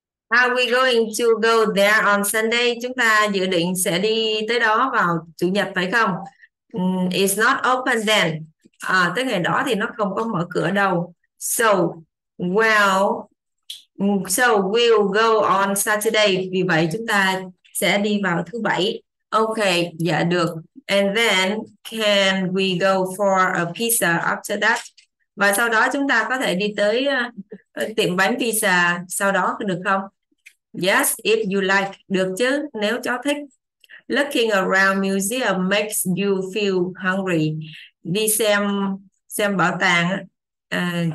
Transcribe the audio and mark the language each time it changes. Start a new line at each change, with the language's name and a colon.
English: Are we going to go there on Sunday?
Vietnamese: Chúng ta dự định sẽ đi tới đó vào Chủ nhật phải không?
English: It's not open then.
Vietnamese: À, tới ngày đó thì nó không có mở cửa đâu.
English: So we'll go on Saturday.
Vietnamese: Vì vậy chúng ta sẽ đi vào thứ bảy. Okay, dạ được.
English: And then can we go for a pizza after that?
Vietnamese: Và sau đó chúng ta có thể đi tới tiệm bánh pizza sau đó được không?
English: Yes, if you like.
Vietnamese: Được chứ, nếu cháu thích.
English: Looking around museum makes you feel hungry.
Vietnamese: Đi xem bảo tàng á.